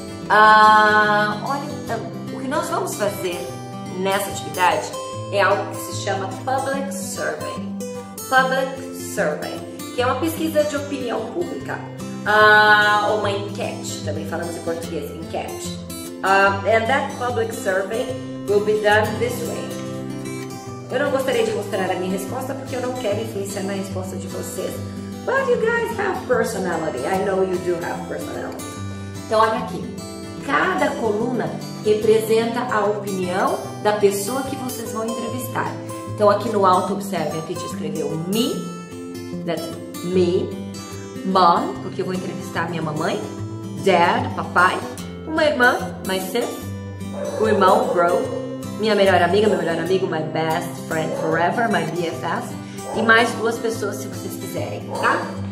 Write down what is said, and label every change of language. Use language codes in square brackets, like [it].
[pt] Olha, o que nós vamos fazer nessa atividade é algo que se chama public survey. Public survey. Que é uma pesquisa de opinião pública, ou uma enquete, também falamos em português, enquete. [en] And that public survey will be done this way. [pt] Eu não gostaria de mostrar a minha resposta porque eu não quero influenciar na resposta de vocês. [en] But you guys have personality, I know you do have personality. [pt] Então olha aqui, cada coluna representa a opinião da pessoa que vocês vão entrevistar. Então aqui no alto, observe, a Peach escreveu me, [en] that's me, [pt] mom, porque eu vou entrevistar minha mamãe, dad, papai, uma irmã, my sis, o irmão, bro, minha melhor amiga, meu melhor amigo, [en] my best friend forever, my BFF, [pt] e mais duas pessoas se vocês quiserem, tá?